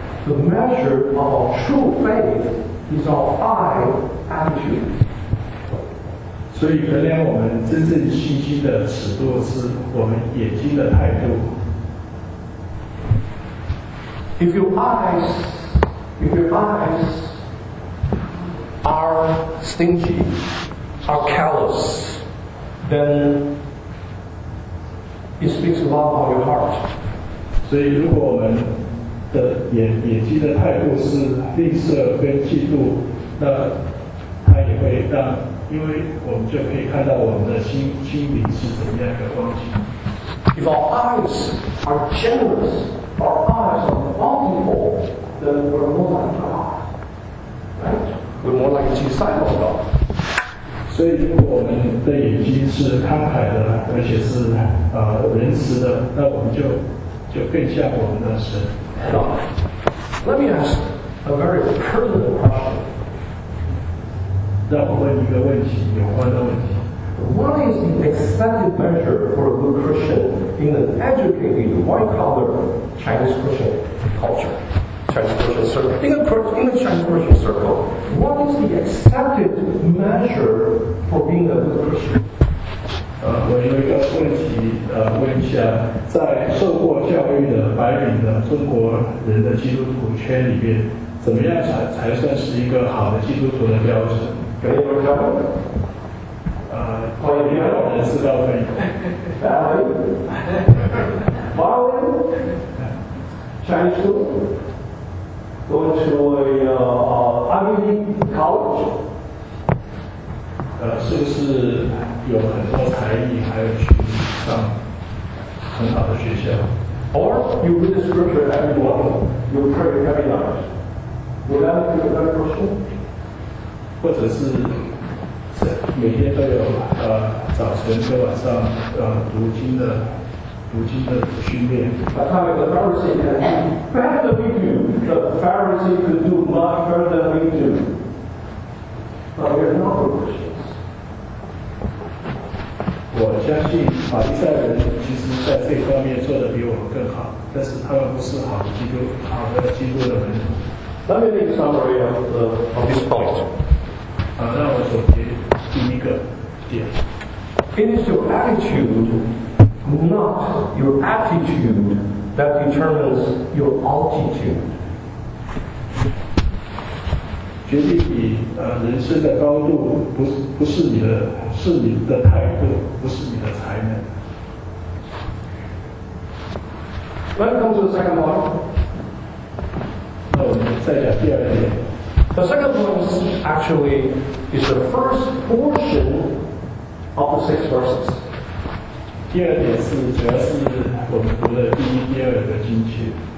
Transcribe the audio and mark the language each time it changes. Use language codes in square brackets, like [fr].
[en] The measure of our true faith is our eye attitude. [zh] 所以衡量我们真正信心的尺度是我们眼睛的态度。 [en] If your eyes are stingy, are callous, then it speaks a lot about your heart. [zh] 所以如果我们的眼睛的态度是吝啬跟嫉妒，那他也会让，因为我们就可以看到我们的心灵是怎样的光景。 [en] If our eyes are generous, our eyes are bountiful, then we're more like God, right? We're more like a disciple of God. [zh] 所以如果我们的眼睛是慷慨的，而且是仁慈的，那我们就更像我们的神。 [en] Now, let me ask a very personal question. [zh] 让我问一个问题，有关的问题。 [en] What is the expected measure for a good Christian in an educated white-collar Chinese Christian culture? Chinese Christian circle. In a Chinese Christian circle, what is the expected measure for being a good Christian? [zh] 我有一个问题，问一下，在受过教育的白领的中国人的基督徒圈里边，怎么样才算是一个好的基督徒的标准？可以问一下吗？欢迎有人知道问。 [en] Marvin, Chinese school, go to a Ivy League college. [zh] 是不是有很多才艺，还有去上很好的学校 [en] ？Or you read the scripture every morning, you pray every night. Would that be a better question? [zh] 或者是每天都有早晨和晚上读经的训练 [en] ？I tell you, the Pharisee can do better than we do. The Pharisee could do much better than we do. But we are not Christians. [zh] 我相信法利赛人其实在这方面做得比我们更好，但是他们不是好的基督的门徒。 [en] Let me make a summary of this point. [zh] 让我总结第一个点。 [en] It is your attitude, not your aptitude, that determines your altitude. [zh] 决定你人生的高度，不是你的。是你的态度，不是你的才能。 [en] Welcome to the second one. [zh] 那我们再讲第二点。 [en] The second one actually is the first portion of the six verses. [zh] 第二点是主要是我们读的第一、第二个经句。